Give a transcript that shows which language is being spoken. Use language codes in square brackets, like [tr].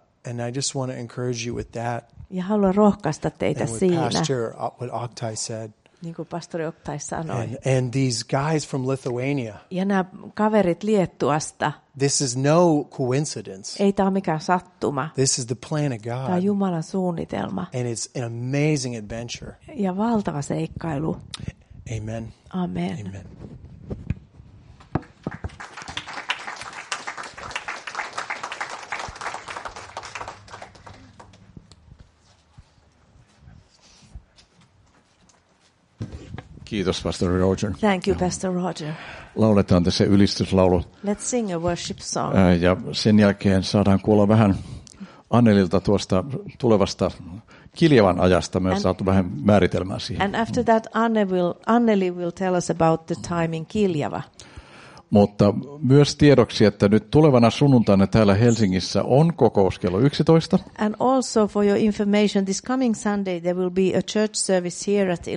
[en] And I just want to encourage you with that. [fi] Ja haluan rohkaista teitä siinä. [en] And what Oktay said. [fi] Niin kuin pastori Oktay sanoi. [en] And these guys from Lithuania. [fi] Ja nämä kaverit Liettuasta. [en] This is no coincidence. [fi] Ei tämä ole mikään sattuma. [en] This is the plan of God. [fi] Tämä on Jumalan suunnitelma. [en] And it's an amazing adventure. [fi] Ja valtava seikkailu. Amen. Amen. Amen. Kiitos, Pastor Roger. [en] Thank you, Pastor Roger. [fi] Lauletaan tässä ylistyslaulu. [en] Let's sing a worship song. [fi] Ja sen jälkeen saadaan kuulla vähän Annelilta tuosta tulevasta Kiljavan ajasta. Me ollaan saatu vähän määritelmää siihen. [en] And after that, Anneli will tell us about the time in Kiljava. [fi] Mutta myös tiedoksi, että nyt tulevana sunnuntaina täällä Helsingissä on kokous kello 11. [en] And also for your information, this coming Sunday there will be a church service here at 11.